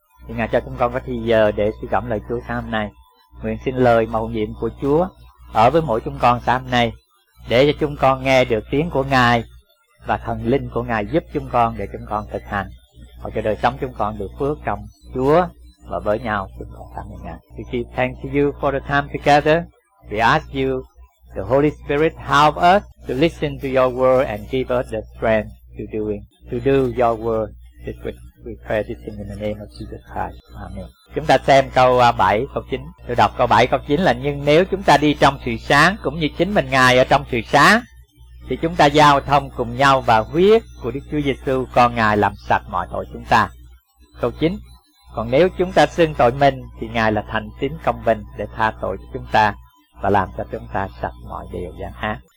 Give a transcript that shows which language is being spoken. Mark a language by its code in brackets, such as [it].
[vi] Thì Ngài cho chúng con có thời giờ để suy gẫm lời Chúa sáng hôm nay. Nguyện xin lời mầu nhiệm của Chúa ở với mỗi chúng con sáng hôm nay, để cho chúng con nghe được tiếng của Ngài, và thần linh của Ngài giúp chúng con để chúng con thực hành, và cho đời sống chúng con được phước trong Chúa và với nhau. Chúng con cảm ơn Ngài. [en] We give thanks to you for the time together. We ask you, the Holy Spirit, help us to listen to your word and give us the strength to do your word this week. We pray this in the name of Jesus Christ. [vi] Amen. Chúng ta xem câu 7, câu 9. Tôi đọc câu 7, câu 9 là: nhưng nếu chúng ta đi trong sự sáng cũng như chính mình Ngài ở trong sự sáng, thì chúng ta giao thông cùng nhau, và huyết của Đức Chúa Giêsu con Ngài làm sạch mọi tội chúng ta. Câu 9: còn nếu chúng ta xưng tội mình, thì Ngài là thành tín công bình để tha tội cho chúng ta và làm cho chúng ta sạch mọi điều gian ác.